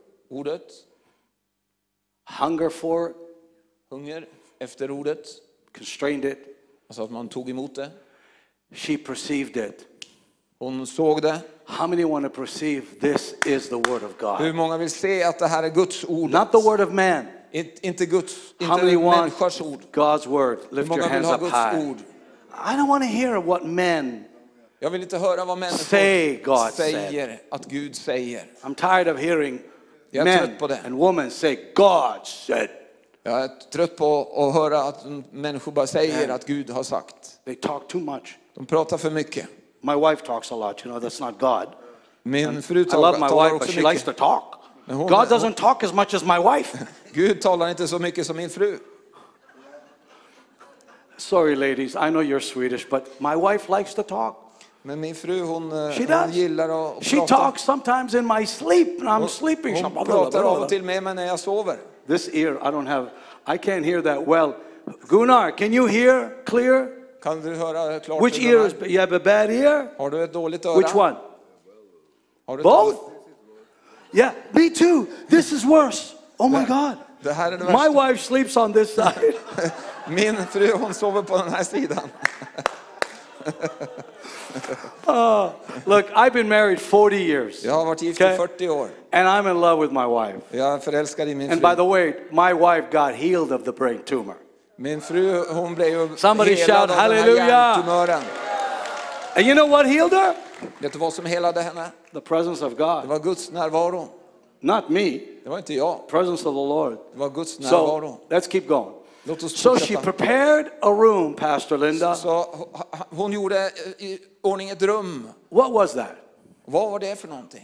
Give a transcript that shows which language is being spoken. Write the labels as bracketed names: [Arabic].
[Swedish] Ordet. [English] Hunger for. [Swedish] Hunger efter ordet. [English] Constrained it. [Swedish] Alltså att man tog emot det. [English] She perceived it. [Swedish] Hon såg det. [English] How many want to perceive this is the word of God? [Swedish] Hur många vill se att det här är Guds ord? [English] Not the word of man. [Swedish] Inte Guds, inte människors ord. [English] God's word. Lift your hands up high. Ord? I don't want to hear what men. [Swedish] Jag vill inte höra vad människor [English] say God [Swedish] säger [English] said. [Swedish] Att Gud säger. [English] I'm tired of hearing [Swedish] jag [English] men [Swedish] trött på det. [English] And women say God said. [Swedish] Jag är trött på att höra att människor bara säger att Gud har sagt. [English] They talk too much. [Swedish] De pratar för mycket. [English] My wife talks a lot, you know, that's not God. [Swedish] Min fru talar, [English] I love my wife, but she likes to talk. God doesn't talk as much as my wife. [Swedish] Gud talar inte så mycket som min fru. [English] Sorry ladies, I know you're Swedish, but my wife likes to talk. [Swedish] Men min fru hon gillar att prata. [English] She talks sometimes in my sleep and I'm sleeping. [Swedish] Hon pratar av och till med mig när jag sover. [English] This ear I don't have. I can't hear that well. Gunnar, can you hear clear? [Swedish] Kan du höra klart? [English] Which ear is you have a bad ear? [Swedish] Har du ett dåligt öra? [English] Which one? Both? Yeah, me too. This is worse. Oh my God. [Swedish] Det här är det värsta. [English] My wife sleeps on this side. [Swedish] Min fru hon sover på den här sidan. [English] Look, I've been married 40 years. [Swedish] Jag har varit gift okay? 40 år. [English] And I'm in love with my wife. [Swedish] Jag är förälskad i min fru. [English] And by the way, my wife got healed of the brain tumor. [Swedish] Min fru, hon blev helad av den här. [English] Somebody shout hallelujah. And you know what healed her? [Swedish] Vet du vad som helade henne? [English] The presence of God. [Swedish] Det var Guds närvaro. [English] Not me. [Swedish] Det var inte jag. [English] Presence of the Lord. [Swedish] Det var Guds närvaro. [English] So, let's keep going. So she prepared a room, Pastor Linda. [Swedish] Så hon gjorde i ordning ett rum. [English] What was that? [Swedish] Vad var det för någonting?